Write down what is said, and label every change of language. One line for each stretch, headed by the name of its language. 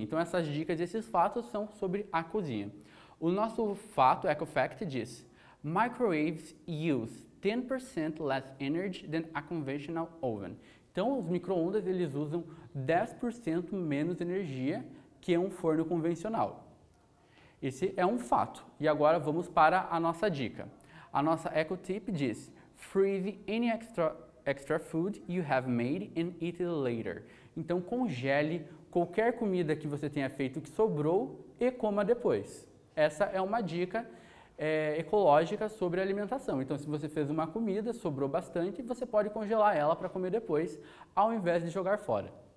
Portuguese: Então, essas dicas e esses fatos são sobre a cozinha. O nosso fato, Echo Fact, diz:
English: microwaves use 10% less energy than a conventional oven.
Portuguese: Então, os micro-ondas, eles usam 10% menos energia que um forno convencional. Esse é um fato. E agora vamos para a nossa dica. A nossa Echo Tip diz:
English: freeze any extra food you have made and eat it later.
Portuguese: Então, congele qualquer comida que você tenha feito que sobrou e coma depois. Essa é uma dica ecológica sobre alimentação. Então, se você fez uma comida, sobrou bastante, você pode congelar ela para comer depois, ao invés de jogar fora.